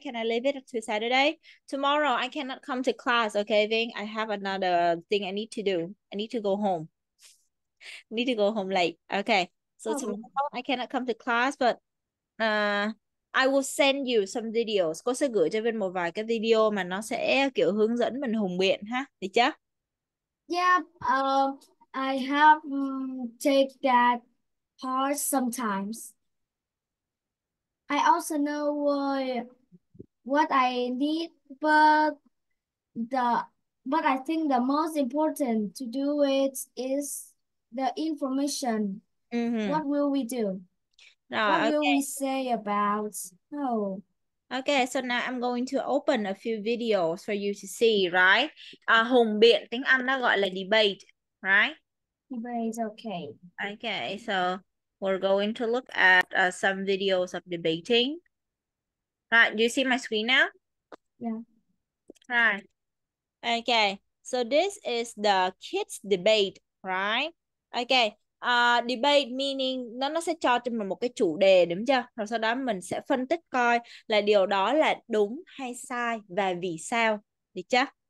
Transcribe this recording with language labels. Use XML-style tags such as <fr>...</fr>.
<en>Can I leave it to Saturday? Tomorrow, I cannot come to class, okay, Ving? I have another thing I need to do. I need to go home. Need to go home late. Okay. So tomorrow Oh. I cannot come to class, but I will send you some videos.</en> <vi>Cô sẽ gửi cho bên một vài cái video mà nó sẽ kiểu hướng dẫn mình hùng biện ha, được chưa?</vi> <en>Yeah, I have take that part sometimes. I also know what I need, but I think the most important to do it is the information. What will we do? What</en> <vi>Rồi,</vi> <en>will we say about? Oh. okay. Okay, so now I'm going to open a few videos for you to see, right?</en> <vi>Hùng biện tiếng Anh nó gọi là debate, right?</vi> <en>Debate, okay. Okay, so we're going to look at some videos of debating. Right, do you see my screen now? Yeah. Right. Okay, so this is the kids debate, right? Okay.</en> <vi>Debate meaning nó sẽ cho mình một cái chủ đề đúng chưa? Rồi sau đó mình sẽ phân tích coi là điều đó là đúng hay sai và vì sao, được chưa?</vi>